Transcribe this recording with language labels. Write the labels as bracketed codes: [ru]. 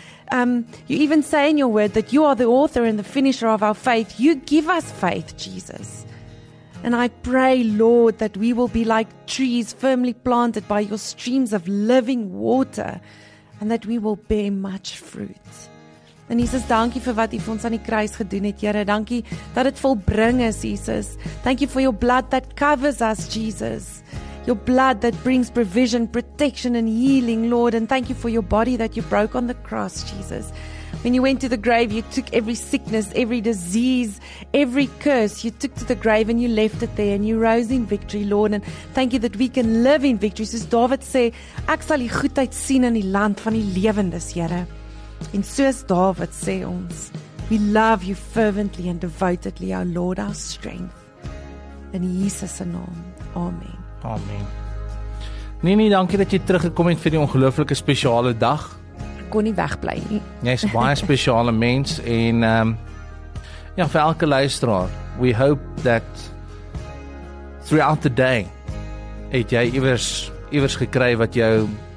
[en] You even say in your word that you are the author and the finisher of our faith, you give us faith, Jesus. And I pray, Lord, that we will be like trees firmly planted by your streams of living water and that we will bear much fruit. [af] En Jesus, dankie vir wat U vir ons aan die kruis gedoen het, Here. Dankie dat dit volbring is, Jesus. [en] Thank you for your blood that covers us, Jesus. Your blood that brings provision, protection and healing, Lord. And thank you for your body that you broke on the cross, Jesus. When you went to the grave, you took every sickness, every disease, every curse. You took to the grave and you left it there and you rose in victory, Lord. And thank you that we can live in victory. [af] Soos David sê, ek sal die goedheid sien in die land van die lewendes, Here. En soos David sê ons, [en] we love you fervently and devotedly, our Lord, our strength. [af] In Jesus' naam, amen. Amen. Nini, dankie dat jy teruggekom het vir die ongelooflike speciale dag. Kon nie wegbly nie. Jy is baie speciale mens en ja, vir elke luisteraar, [en] we hope that throughout the day [af] het jy iewers gekry wat jou